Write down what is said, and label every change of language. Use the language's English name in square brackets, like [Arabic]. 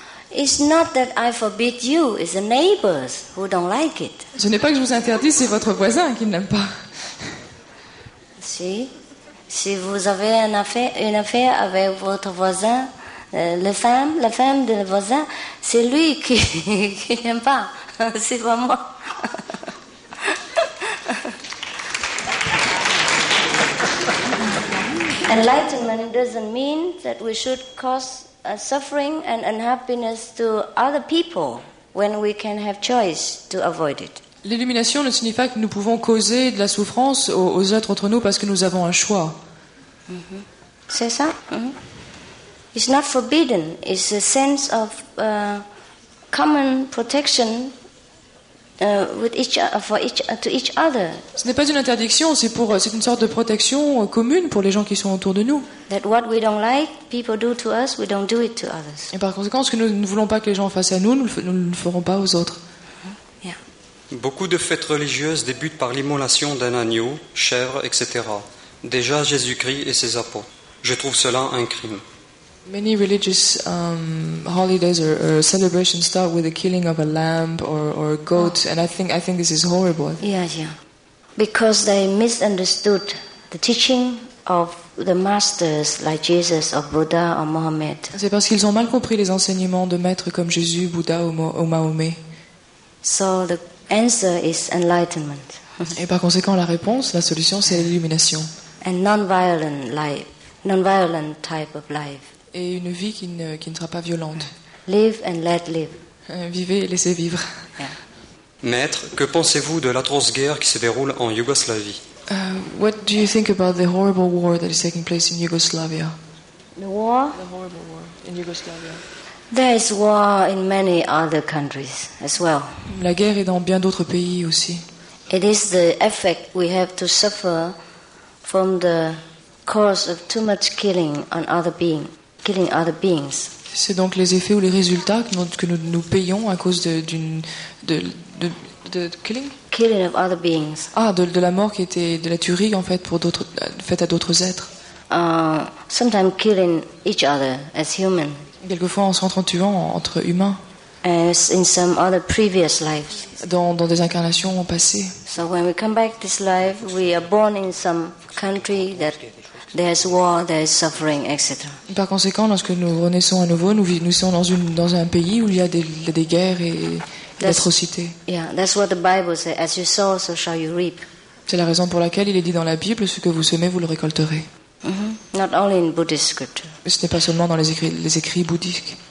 [English] It's not that I forbid you, it's the neighbors who don't like it. [French] Ce n'est pas que je vous interdis, c'est votre voisin qui ne l'aime pas. Si vous avez une affaire avec votre voisin, la femme de le voisin, c'est lui qui n'aime pas, c'est pas moi. [English] Enlightenment doesn't mean that we should cause suffering and unhappiness to other people when we can have choice to avoid it. [French] L'illumination ne signifie pas que nous pouvons causer de la souffrance aux autres entre nous parce que nous avons un choix. [English] Mm-hmm. [French] C'est ça. [English] Mm-hmm. It's not forbidden. It's a sense of common protection to each other. [French] Ce n'est pas une interdiction. C'est une sorte de protection commune pour les gens qui sont autour de nous. [English] That what we don't like, people do to us, we don't do it to others. [French] Et par conséquent, ce que nous ne voulons pas que les gens fassent à nous, nous ne le ferons pas aux autres. [English] Mm-hmm. Yeah. [French] Beaucoup de fêtes religieuses débutent par l'immolation d'un agneau, chèvre, etc. Déjà Jésus-Christ et ses apôtres. Je trouve cela un crime. [English] Many religious holidays or celebrations start with the killing of a lamb or a goat, and I think this is horrible. Yeah. Because they misunderstood the teaching of the masters like Jesus or Buddha or Mohammed. [French] C'est parce qu'ils ont mal compris les enseignements de maîtres comme Jésus, Bouddha ou Mahomet. [English] So the answer is enlightenment. [French] Et par conséquent, la réponse, la solution, c'est l'illumination. [English] And non-violent life, non-violent type of life. [French] Et une vie qui ne sera pas violente. [English] Live and let live. [French] Vivez et laissez vivre. [English] Yeah. [French] Maître, que pensez-vous de l'atroce guerre qui se déroule en Yougoslavie? [English] What do you think about the horrible war that is taking place in Yugoslavia? The war? The horrible war in Yugoslavia. There is war in many other countries as well. [French] La guerre est dans bien d'autres pays aussi. [English] It is the effect we have to suffer from the cause of too much killing on other beings. Killing other beings. [French] C'est donc les effets ou les résultats que nous payons à cause de killing? [English] Killing of other beings. [French] Ah, de la mort qui était de la tuerie en fait pour d'autres faite à d'autres êtres. [English] Sometimes killing each other as human. [French] Quelquefois en s'entre tuant entre humains. [English] As in some other previous lives. [French] Dans des incarnations passées. [English] So when we come back this life, we are born in some country that there's war, there's suffering, etc. [French] Par conséquent, lorsque nous renaissons à nouveau, nous sommes dans un pays où il y a des guerres et d'atrocités. [English] Yeah, that's what the Bible says. As you sow, so shall you reap. [French] C'est la raison pour laquelle il est dit dans la Bible, ce que vous semez, vous le récolterez. [English] Mm-hmm. Not only in Buddhist scripture. [French] Ce n'est pas seulement dans les écrits bouddhiques.